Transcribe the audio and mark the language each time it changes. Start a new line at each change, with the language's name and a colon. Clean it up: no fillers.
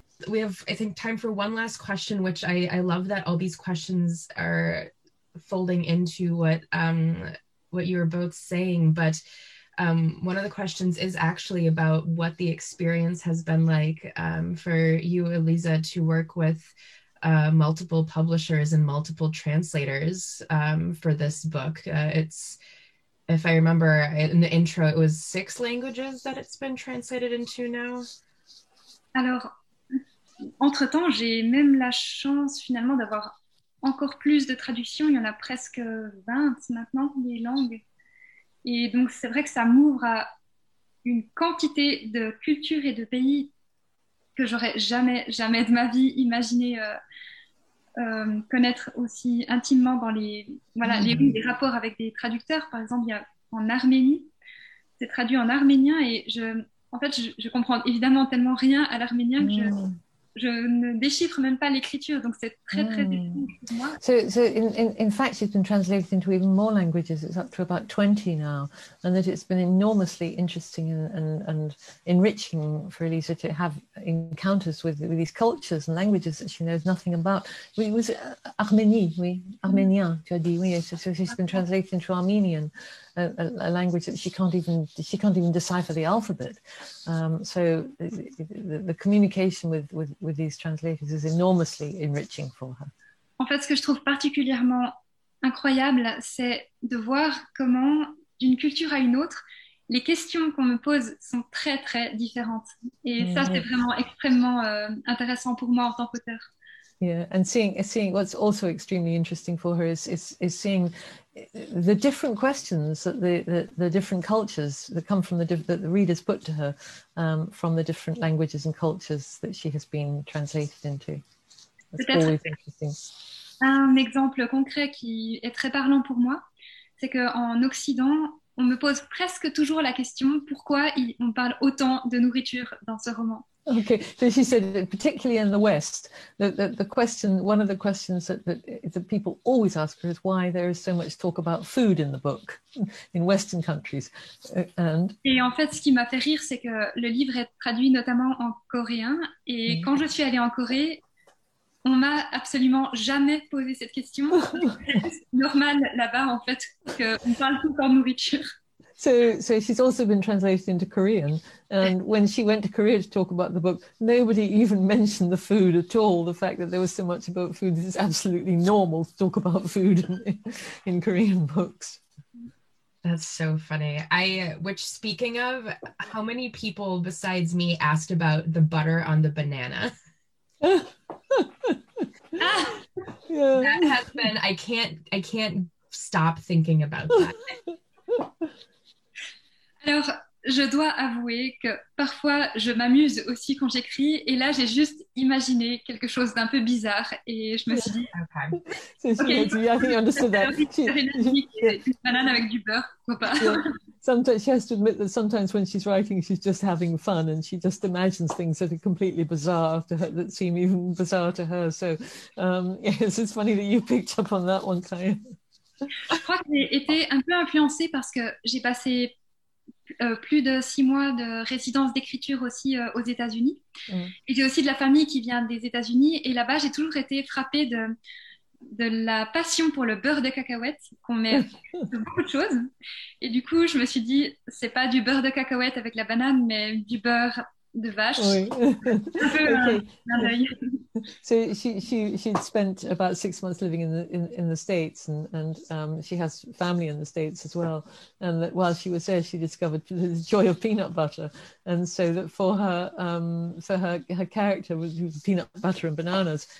English: We have, I think, time for one last question, which I love that all these questions are folding into what you were both saying, but one of the questions is actually about what the experience has been like for you, Elisa, to work with multiple publishers and multiple translators for this book. If I remember in the intro, it was 6 languages that it's been translated into now.
French: Alors, entre temps, j'ai même la chance finalement d'avoir encore plus de traductions, il y en a presque 20 maintenant, des langues. Et donc, c'est vrai que ça m'ouvre à une quantité de cultures et de pays que j'aurais jamais, jamais de ma vie imaginé connaître aussi intimement dans les, voilà, les rapports avec des traducteurs. Par exemple, il y a en Arménie, c'est traduit en arménien et je comprends évidemment tellement rien à l'arménien que je ne déchiffre même pas l'écriture, donc c'est très, très difficile pour moi.
English: So in fact, it's been translated into even more languages. It's up to about 20 now, and that it's been enormously interesting and enriching for Elisa to have encounters with these cultures and languages that she knows nothing about. It was
French: Arménie, oui, Arménien, tu as dit, oui.
English: So she's been translated into Armenian. A language that she can't even decipher the alphabet. So the communication with these translators is enormously enriching for her.
French: En fait, ce que je trouve particulièrement incroyable, c'est de voir comment, d'une culture à une autre, les questions qu'on me pose sont très, très différentes. Et ça, c'est vraiment extrêmement intéressant pour moi en tant qu'auteur.
English: Yeah, and seeing what's also extremely interesting for her is seeing the different questions that the different cultures that come from that the readers put to her from the different languages and cultures that she has been translated into. That's always interesting.
French: Un exemple concret qui est très parlant pour moi, c'est que en Occident, on me pose presque toujours la question pourquoi on parle autant de nourriture dans ce roman.
English: Okay, so she said that particularly in the West, one of the questions that people always ask her is why there is so much talk about food in the book, in Western countries. And
French: et en fait, ce qui m'a fait rire, c'est que le livre est traduit notamment en coréen, et quand je suis allée en Corée, on m'a absolument jamais posé cette question. C'est normal là-bas, en fait, qu'on parle tout en nourriture.
English: So she's also been translated into Korean, and when she went to Korea to talk about the book, nobody even mentioned the food at all. The fact that there was so much about food is absolutely normal to talk about food in Korean books. That's so funny. Speaking of, how many people besides me asked about the butter on the banana? That has been. I can't stop thinking about that.
French: Alors, je dois avouer que parfois, je m'amuse aussi quand j'écris. Et là, j'ai juste imaginé quelque chose d'un peu bizarre. Et je me suis dit, banane avec du beurre, pourquoi pas.
English: Sometimes she has to admit that sometimes when she's writing, she's just having fun and she just imagines things that are completely bizarre to her, that seem even bizarre to her. So, yes, it's funny that you picked up on that one, Kaya.
French: Je crois que j'ai été un peu influencée parce que j'ai passé plus de 6 mois de résidence d'écriture aussi aux États-Unis. Mm. Et j'ai aussi de la famille qui vient des États-Unis. Et là-bas, j'ai toujours été frappée de la passion pour le beurre de cacahuète qu'on met de beaucoup de choses. Et du coup, je me suis dit, c'est pas du beurre de cacahuète avec la banane, mais du beurre de vache. Oui. Un peu un œil.
English: So she'd spent about 6 months living in the States, and she has family in the States as well. And that while she was there, she discovered the joy of peanut butter. And so that for her character was peanut butter and bananas.